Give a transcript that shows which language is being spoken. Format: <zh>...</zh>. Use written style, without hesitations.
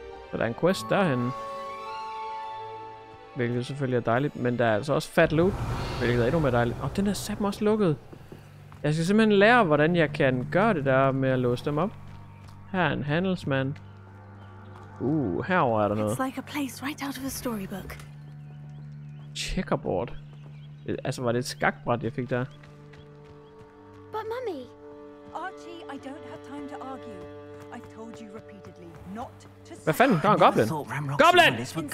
<da>Så der er en quest derhenne. Hvilket selvfølgelig er dejligt, men der er altså også</da> <en>fat loot.</en> <da>Hvilket er endnu mere dejligt. Og den er sat mig også lukket. Jeg skal simpelthen lære, hvordan jeg kan gøre det der med at låse dem op. Her er en handelsmand. Herover er der noget.</da> <en>It's like a place right out of a storybook. Checkerboard.</en> <da>Altså, var det et skakbræt, jeg fik der?</da> <en>But mommy. Archie, I don't have time to argue. I've told you repeatedly not to...</en> <da>Hvad fanden? Der er en goblin. Goblin!</da>